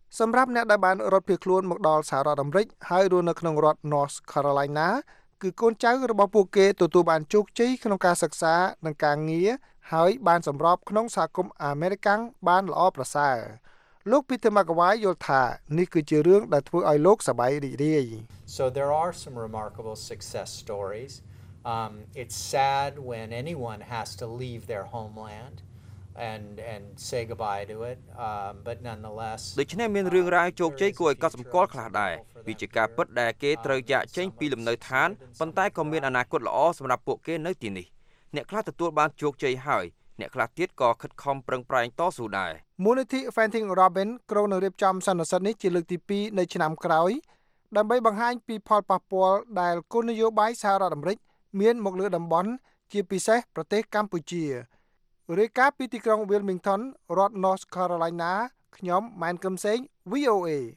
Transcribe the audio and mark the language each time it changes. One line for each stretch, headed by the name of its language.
Khmer: សម្រាប់អ្នកដែលបានរត់ភៀសខ្លួនមកដល់សហរដ្ឋអាមេរិកហើយរស់នៅក្នុងរដ្ឋ North Carolina គឺកូនចៅរបស់ពួកគេទទួលបានជោគជ័យក្នុងការសិក្សានិងការងារហើយបានសម្របក្នុងសហគមន៍អាមេរិកាំងបានល្អប្រសើរលោកពីធីម៉ាកវ៉ៃយល់ថានេះគឺជារឿងដែលធ្វើឲ្យលោកសប្បាយរីករាយ
English: So there are some remarkable success stories it's sad when anyone has to leave their homeland and say goodbye to it but nonetheless
Khmer: ដូច្នេះមានរឿងរ៉ាវជោគជ័យគួរឲ្យកត់សម្គាល់ខ្លះដែរវាជាការពិតដែលគេត្រូវចាកចេញពីលំនៅឋានប៉ុន្តែក៏មានអនាគតល្អសម្រាប់ពួកគេនៅទីនេះអ្នកខ្លះទទួលបានជោគជ័យហើយអ្នកខ្លះទៀតក៏ខិតខំប្រឹងប្រែងតស៊ូដែរ មូលនិធិ Fighting Robin ក្រុងនៅរៀបចំសន្និសីទនេះជាលើកទី2នៅឆ្នាំក្រោយដើម្បីបង្ហាញពីផលប៉ះពាល់ដែលគោលនយោបាយសហរដ្ឋអាមេរិកមានមកលើតំបន់ជាពិសេសប្រទេសកម្ពុជារាជការពីទីក្រុង Wilmington រដ្ឋ North Carolina ខ្ញុំម៉ែនកឹមសេង VOA